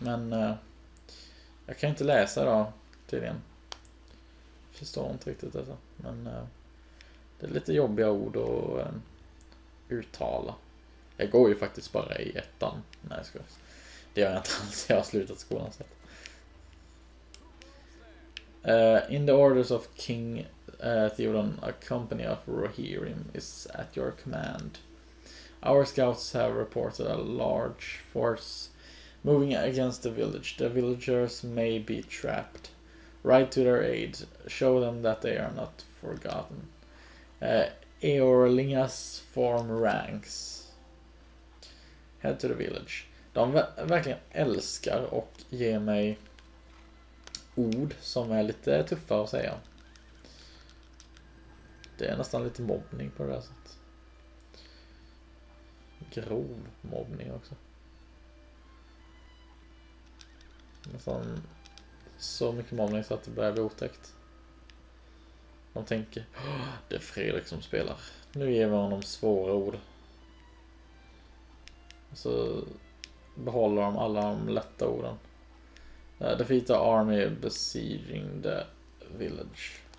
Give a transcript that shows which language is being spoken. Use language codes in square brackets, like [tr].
[sv] Men jag kan inte läsa då tydligen. Förstår inte riktigt alltså. Men det är lite jobbiga ord att uttala. Jag går ju faktiskt bara i ettan. Nej, ska jag. Det gör jag inte alls. Jag har slutat skolan så. [en] In the orders of King Theoden, a company of Rohirrim is at your command. Our scouts have reported a large force moving against the village. The villagers may be trapped. Ride to their aid. Show them that they are not forgotten. Eorlingas form ranks. Head to the village. [sv] De verkligen älskar och ger mig ord som är lite tuffa att säga. Det är nästan lite mobbning på det här sättet. Grov mobbning också. Nästan så mycket mobbning så att det börjar bli otäckt. Man tänker, det är Fredrik som spelar. Nu ger vi honom svåra ord. Så behåller de alla de lätta orden. [en] Defeat the army besieging the village.